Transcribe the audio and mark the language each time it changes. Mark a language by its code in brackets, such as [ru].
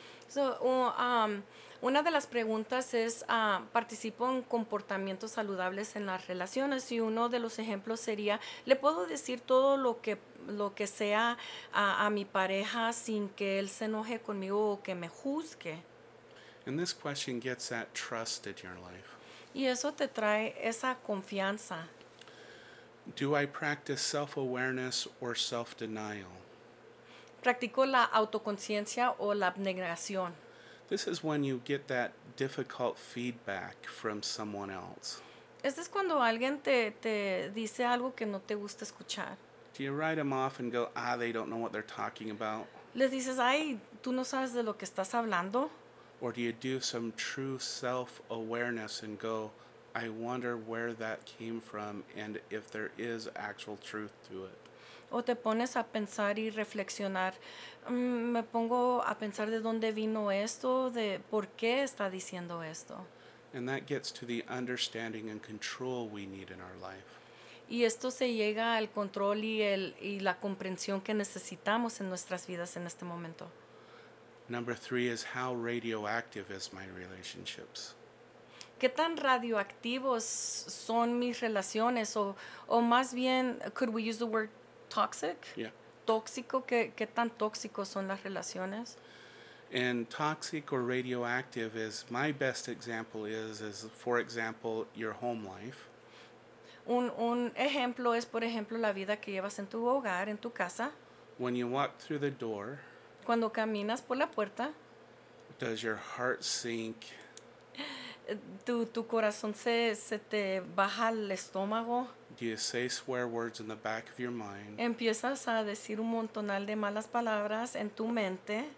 [es] So, una de las preguntas es, ¿participo en comportamientos saludables en las relaciones? Y uno de los ejemplos sería, ¿le puedo decir todo lo que sea a mi pareja sin que él se enoje conmigo o que me juzgue? [en] And this question gets that trust in your life. [es] Y eso te trae esa confianza. [en] Do I practice self-awareness or self-denial? [es] ¿Practico la autoconciencia o la abnegación? [en] This is when you get that difficult feedback from someone else. [es] Este es cuando alguien te dice algo que no te gusta escuchar. [en] Do you write them off and go, ah, they don't know what they're talking about? [es] Les dices, ay, tú no sabes de lo que estás hablando. [en] Or do you do some true self-awareness and go, I wonder where that came from and if there is actual truth to it? [es] O te pones a pensar y reflexionar. Me pongo a pensar de dónde vino esto, de por qué está diciendo esto. [en] And that gets to the understanding and control we need in our life. [es] Y esto se llega al control y la comprensión que necesitamos en nuestras vidas en este momento. [en] Number three is how radioactive is my relationships. [es] ¿Qué tan radioactivos son mis relaciones? O más bien, [en] could we use the word toxic? Yeah. [es] ¿Tóxico? ¿Qué tan tóxicos son las relaciones? [en] And toxic or radioactive is, my best example is for example, your home life. [es] Un ejemplo es, por ejemplo, la vida que llevas en tu hogar, en tu casa. [en] When you walk through the door. [es] Cuando caminas por la puerta. [en] Does your heart sink? [es] Tu corazón se te baja el estómago. [en] Do you say swear words in the back of your mind? [es] Empiezas a decir un montonal de malas palabras en tu mente.